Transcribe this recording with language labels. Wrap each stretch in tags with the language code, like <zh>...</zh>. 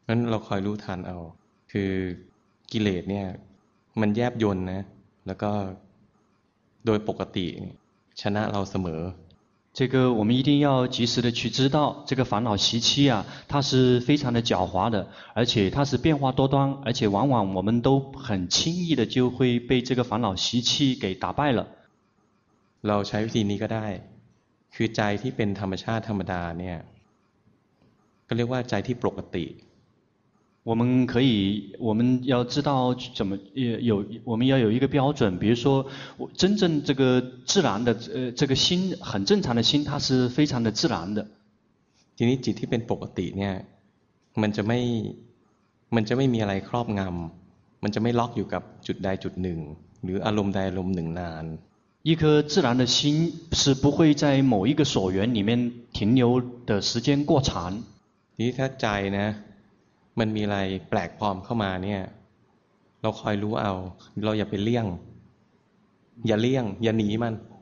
<th>เราคอยรู้ทันเอาคือกิเลสเนี่ยมันแยบยลนะแล้วก็โดยปกติชนะเราเสมอ</th> <zh>这个我们一定要及时的去知道这个烦恼习气啊它是非常的狡猾的而且它是变化多端而且往往我们都很轻易的就会被这个烦恼习气给打败了</zh> <th>เราใช้วิธีนี้ก็ได้คือใจที่เป็นธรรมชาติธรรมดาเนี่ยก็เรียกว่าใจที่ปกติ</th> <zh>我们可以我们要知道怎么有我们要有一个标准比如说我真正这个自然的这个心很正常的心它是非常的自然的</zh> <th>ทีนี้จิตที่เป็นปกติเนี่ยมันจะไม่มีอะไรครอบงำมันจะไม่ล็อกอยู่กับจุดใดจุดหนึ่งหรืออารมณ์ใดอารมณ์หนึ่งนาน</th> <zh>一颗自然的心是不会在某一个所缘里面停留的时间过长</zh> <th>ทีนี้ถ้าใจนะมันมีอะไรแปลกปลอมเข้ามาเนี่ยเราคอยรู้เอาเราอย่าไปเลี่ยงอย่าเลี่ยงอย่าหนีมัน</th>